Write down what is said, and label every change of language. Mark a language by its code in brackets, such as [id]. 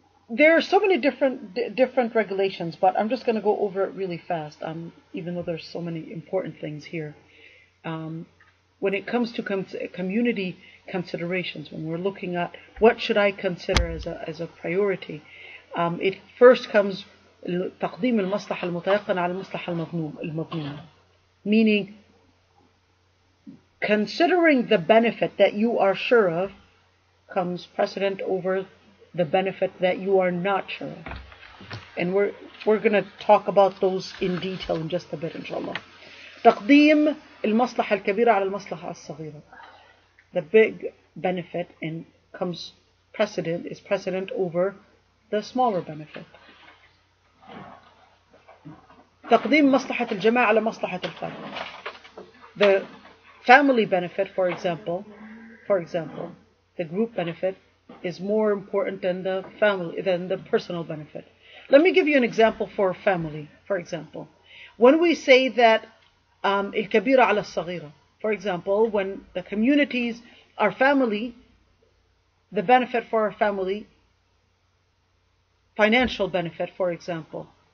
[en] There are so many different regulations, but I'm just going to go over it really fast. Even though there's so many important things here, when it comes to community considerations, when we're looking at what should I consider as a priority, it first comes. [ar] تقديم المصلحة المتيقنة على المصلحة المضمونة. [en] Meaning, considering the benefit that you are sure of comes precedent over the benefit that you are not sure of. And we're going to talk about those in detail in just a bit, inshallah. [ar] تقديم المصلحة الكبيرة على المصلحة الصغيرة. [en] The big benefit and comes precedent is precedent over the smaller benefit. [ar] تقديم مصلحة الجماعة على مصلحة الفرد. [en] The family benefit, for example, the group benefit is more important than the family than the personal benefit. Let me give you an example for family. For example, when we say that [ar] الكبيرة على الصغيرة, [en] for example, when the communities are family, the benefit for our family, financial benefit, for example.